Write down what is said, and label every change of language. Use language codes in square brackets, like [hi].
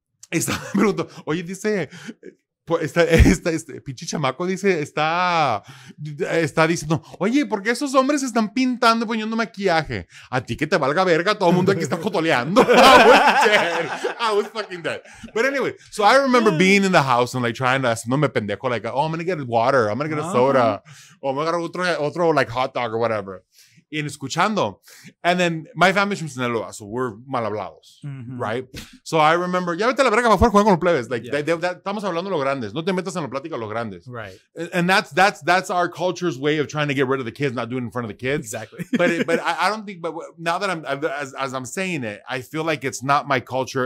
[es] Estaba preguntando, oye, dice, este pinche chamaco dice, está diciendo, oye, ¿por qué esos hombres están pintando y poniendo maquillaje? A ti que te valga verga, todo el mundo aquí está jotoleando. [en] I was fucking dead. But anyway, so I remember being in the house and like trying to, [es] haciéndome pendejo, [en] like, oh, I'm going to get water, I'm going to get a soda, [es] o me agarro otro [en] like hot dog or whatever. [es] Y escuchando. [en] And then my family's from Sinaloa, so we're [es] mal hablados, mm-hmm. [en] right? So I remember, [es] ya vete a la verga para afuera, juega con los plebes. [en] Like, yeah. they, [es] estamos hablando los grandes. No te metas en la plática los grandes. [en] Right. And that's our culture's way of trying to get rid of the kids, not doing it in front of the kids. Exactly. But now that I'm, as I'm saying it, I feel like it's not my culture.